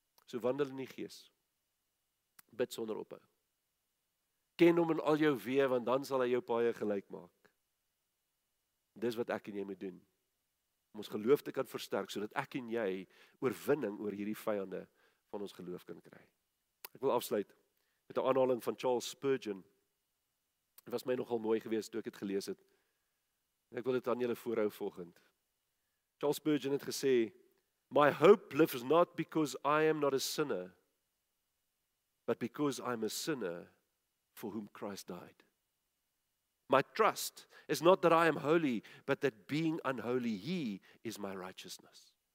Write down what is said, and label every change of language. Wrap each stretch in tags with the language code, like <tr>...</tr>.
<af>So wandel in die gees, bid sonder ophou. Ken hom in al jou weë, want dan sal hy jou paaie gelyk maak. Dis wat ek en jy moet doen, om ons geloof te kan versterk, sodat ek en jy oorwinning oor hierdie vyande van ons geloof kan kry. Ek wil afsluit met 'n aanhaling van Charles Spurgeon. Dit was my nogal mooi geweest toe ek het gelees het. Ek wil dit aan julle voorhou volgend.</af> <en>Charles Spurgeon</en> <af>het gesê,</af> <en>"My hope lives not because I am not a sinner, but because I am a sinner for whom Christ died. My trust is not that I am holy, but that being unholy, he is my righteousness.</en>